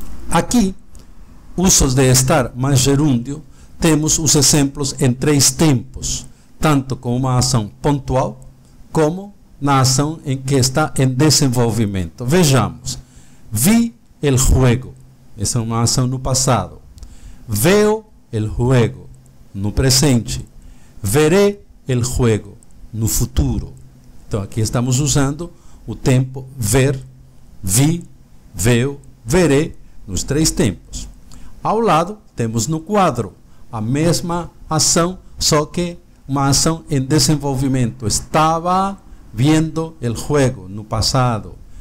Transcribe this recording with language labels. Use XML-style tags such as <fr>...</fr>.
<pt>Aqui, usos de estar mais gerúndio, temos os exemplos em três tempos, tanto com uma ação pontual como na ação em que está em desenvolvimento. Vejamos.</pt> <es>Vi el juego.</es> <pt>Essa é uma ação no passado.</pt> <es>Veo el juego,</es> <pt>no presente.</pt> <es>Veré el juego,</es> <pt>no futuro. Então, aqui estamos usando o tempo ver, vi, veo, veré, nos três tempos. Ao lado, temos no quadro a mesma ação, só que uma ação em desenvolvimento.</pt> <es>Estava viendo el juego,</es> <pt>no passado.</pt>